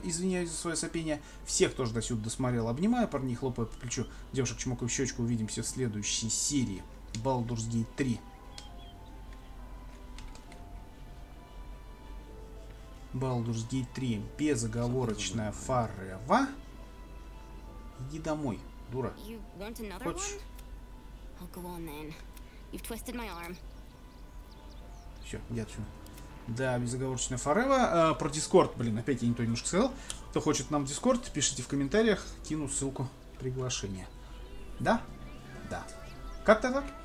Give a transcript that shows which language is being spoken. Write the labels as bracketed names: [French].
[Russian] Извиняюсь за свое сопение. Всех, кто до сюда досмотрел, обнимаю. Парни, хлопаю по плечу. Девушек, чмокаю в щечку. Увидимся в следующей серии. [English] Baldur's Gate 3. Baldur's Gate 3. [Russian] Безоговорочная фарева. Иди домой, дура. Хочешь? [English] I'll go on then. You've twisted my arm. [Russian] Все, я отсюда. Да, безоговорочно Форева. Про Дискорд, блин, опять я не то немножко сказал. Кто хочет нам Дискорд, пишите в комментариях, кину ссылку приглашения. Да? Да. Как-то так?